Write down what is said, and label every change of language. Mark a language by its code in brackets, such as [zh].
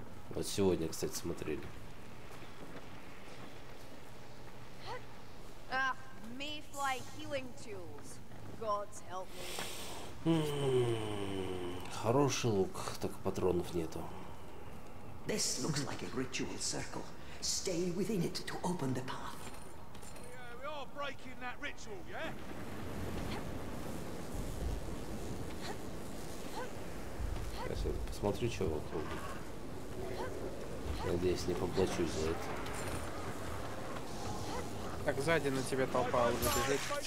[ru] Вот сегодня, кстати, смотрели. [en] Ах, Mayfly Healing Tools. God help me. [ru] Хороший лук, только патронов нету. [en] This looks like a ritual circle. Stay within it to open the path. Yeah, we are breaking that ritual, yeah? [ru] Сейчас я посмотрю, что вокруг. Надеюсь, не поплачусь за это. Так, сзади на тебя толпа уже бежит.